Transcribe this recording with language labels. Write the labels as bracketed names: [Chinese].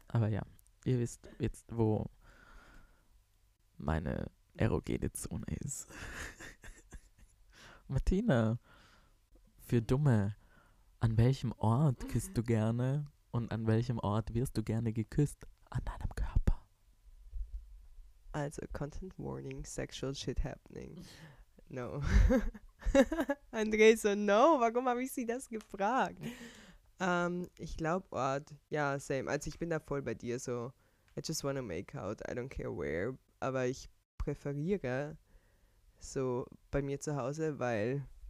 [German] Aber ja, ihr wisst jetzt, wo meine erogene Zone ist. Martina, für Dumme, an welchem Ort küsst du gerne und an welchem Ort wirst du gerne geküsst? An deinem Körper. [English] Also, Content Warning, sexual shit happening. No. [German] André so, no, warum habe ich sie das gefragt? Ich glaube, Ort, ja, same. Also ich bin da voll bei dir, so, [English] I just wanna make out, I don't care where. [German] Aber ich präferiere so bei mir zu Hause, weil...